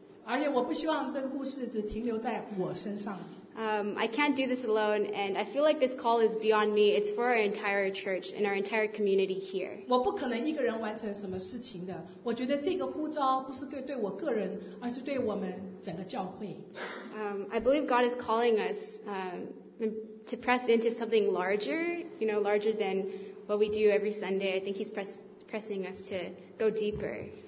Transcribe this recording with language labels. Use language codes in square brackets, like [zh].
[zh] 而且我不希望这个故事只停留在我身上。 [en] I can't do this alone, and I feel like this call is beyond me. It's for our entire church and our entire community here. [zh] 我不可能一个人完成什么事情的。我觉得这个呼召不是对我个人，而是对我们整个教会。 [en] I believe God is calling us to press into something larger, you know, larger than what we do every Sunday. I think He's pressing us to go deeper.